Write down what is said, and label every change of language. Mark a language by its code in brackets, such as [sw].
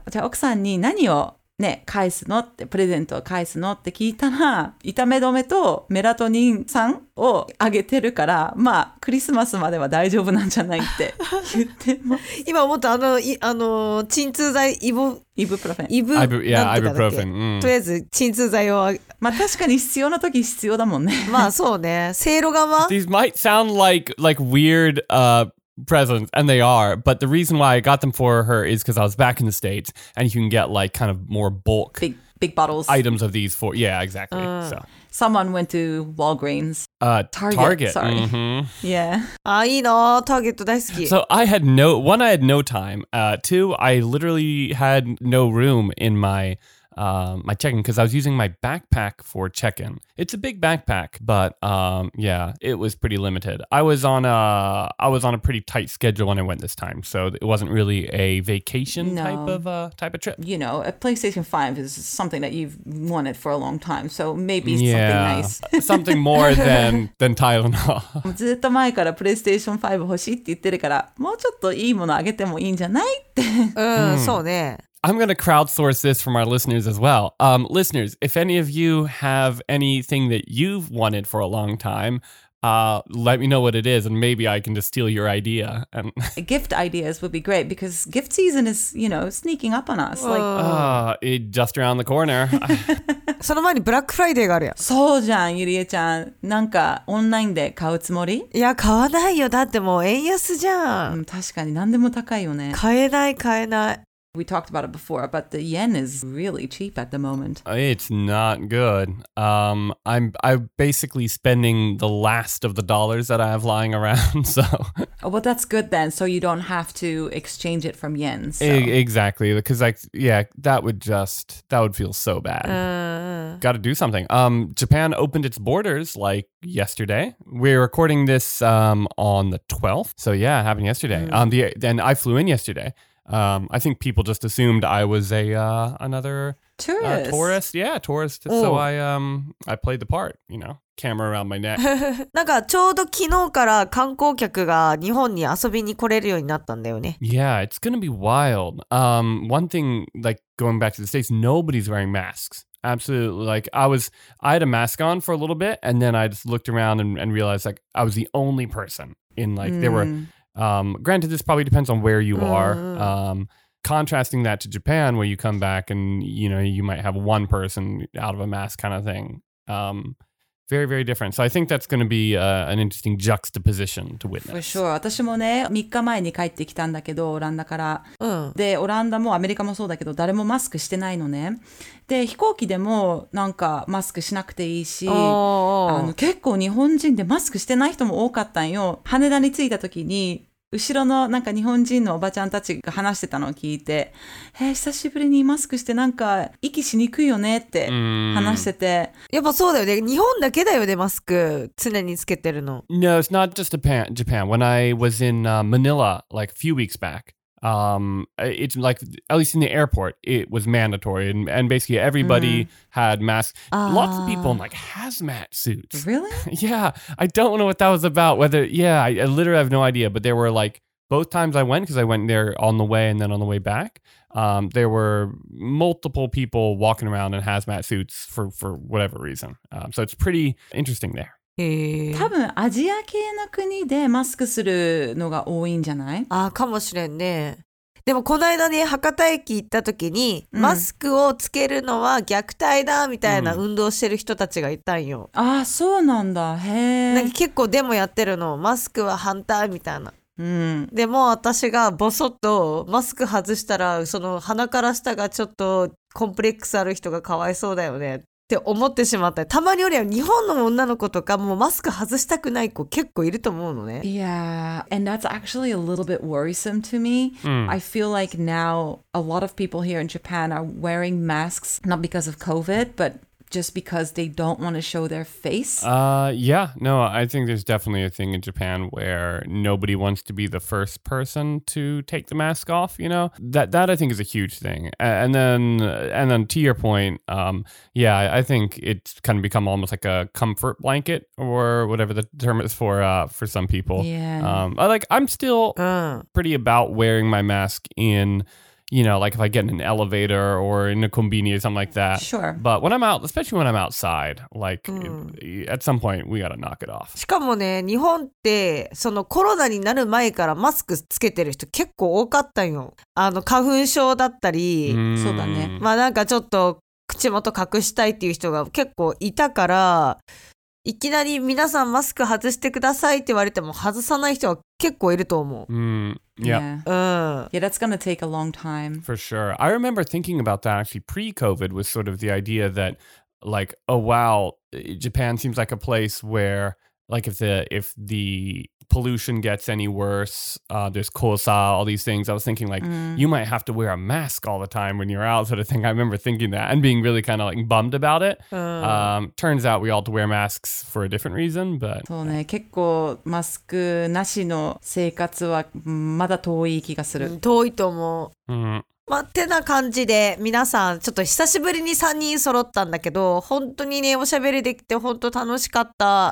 [ja] じゃあ奥さんに何をね、返すのって、プレゼントを返すのって聞いたら、痛め止めとメラトニン酸をあげてるから、まあ、クリスマスまでは大丈夫なんじゃないって言ってます。 今思った、鎮痛剤、イブプロフェン。イブ、 yeah, イブプロフェン。とりあえず、鎮痛剤を。まあ、確かに必要な時必要だもんね。まあ、そうね。せいろ側 [en] These might sound like weird, presents, and they are, but the reason why I got them for her is because I was back in the States, and you can get like kind of more bulk big bottles items of these for, yeah, exactly. So, someone went to Walgreens, Target. Sorry, mm-hmm. Yeah, [ja] いいの Target 大好き. [en] So, I had no one, I had no time, two, I literally had no room in my. My check-in, because I was using my backpack for check-in. It's a big backpack, but yeah, it was pretty limited. I was on a pretty tight schedule when I went this time, so it wasn't really a vacation type of trip. You know, a PlayStation 5 is something that you've wanted for a long time, so maybe it's something nice. Something more than Tylenol. [ja] ずっと前からプレイステーション5欲しいって言ってるから、もうちょっといいものあげてもいいんじゃないって。そうね。 [en] I'm going to crowdsource this from our listeners as well. Listeners, if any of you have anything that you've wanted for a long time, let me know what it is, and maybe I can just steal your idea. And gift ideas would be great, because gift season is, you know, sneaking up on us. Just around the corner. [ja] その前にブラックフライデーがあるやん。そうじゃん、ゆりえちゃん。なんかオンラインで買うつもり？いや、買わないよ。だってもう円安じゃん。確かに何でも高いよね。買えない。 [en] We talked about it before, but the yen is really cheap at the moment. It's not good. I'm basically spending the last of the dollars that I have lying around, so... Oh, well, that's good then, so you don't have to exchange it from yen, so... Exactly, because, that would feel so bad. Gotta do something. Japan opened its borders, yesterday. We're recording this on the 12th, so yeah, it happened yesterday. Mm. And I flew in yesterday. I think people just assumed I was another tourist. Yeah, tourist. Oh. So I played the part, you know, camera around my neck. [ja] なんかちょうど昨日から観光客が日本に遊びに来れるようになったんだよね。 [en] Yeah, it's gonna be wild. One thing, going back to the States, nobody's wearing masks. Absolutely. I had a mask on for a little bit, and then I just looked around and realized I was the only person in there were. Granted, this probably depends on where you are. Contrasting that to Japan, where you come back and, you know, you might have one person out of a mask kind of thing. Very, very different. So I think that's going to be an interesting juxtaposition to witness. For sure. [ja] 私もね、3日前に帰ってきたんだけど、オランダから。で、オランダもアメリカもそうだけど、誰もマスクしてないのね。で、飛行機でもなんかマスクしなくていいし、結構日本人でマスクしてない人も多かったんよ。羽田に着いた時に、後ろのなんか日本人のおばちゃんたちが話してたのを聞いて、久しぶりにマスクしてなんか息しにくいよねって話してて、やっぱそうだよね。日本だけだよね、マスク常につけてるの。 [en] No, it's not just Japan. When I was in Manila a few weeks back, it's at least in the airport, it was mandatory, and basically everybody had masks. Lots of people in hazmat suits. Really? Yeah, I don't know what that was about. I literally have no idea, but there were both times I went, because I went there on the way and then on the way back, there were multiple people walking around in hazmat suits for whatever reason. So it's pretty interesting there. [ja] 多分アジア系の国でマスクするのが多いんじゃない？あ、かもしれんね。でもこの間ね、博多駅行った時に、マスクをつけるのは虐待だみたいな運動してる人たちがいたんよ。あ、そうなんだ。へえ。なんか結構デモやってるの、マスクは反対みたいな。でも私がボソッとマスク外したら、その鼻から下がちょっとコンプレックスある人がかわいそうだよね。って思ってしまった。たまにおりゃ日本の女の子とかもうマスク外したくない子結構いると思うのね。 [en] Yeah, and that's actually a little bit worrisome to me. I feel like now a lot of people here in Japan are wearing masks not because of COVID, but just because they don't want to show their face? Yeah, no, I think there's definitely a thing in Japan where nobody wants to be the first person to take the mask off, you know? That I think is a huge thing. And then to your point, yeah, I think it's kind of become almost like a comfort blanket or whatever the term is for some people. Yeah. I'm still pretty about wearing my mask in... You know, like if I get in an elevator or in a konbini or something like that. Sure. But when I'm out, especially when I'm outside, like、うん、at some point, we gotta knock it off. [ja] しかもね、日本ってそのコロナになる前からマスクつけてる人結構多かったよ。あの花粉症だったり、そうだね。まあなんかちょっと口元隠したいっていう人が結構いたから、いきなり皆さんマスク外してくださいって言われても外さない人は結構いると思う。 [en] Yeah, that's going to take a long time. For sure. I remember thinking about that actually pre-COVID was sort of the idea that like, oh, wow, Japan seems like a place where like if the pollution gets any worse, there's kōsa, all these things. I was thinking like, you might have to wear a mask all the time when you're out sort of thing. I remember thinking that and being really kind of like bummed about it. Turns out we all have to wear masks for a different reason, but... [ja] そうね、結構マスクなしの生活はまだ遠い気がする。遠いと思う。まあ、てな感じで皆さんちょっと久しぶりに3人揃ったんだけど本当にねおしゃべりできて本当楽しかった、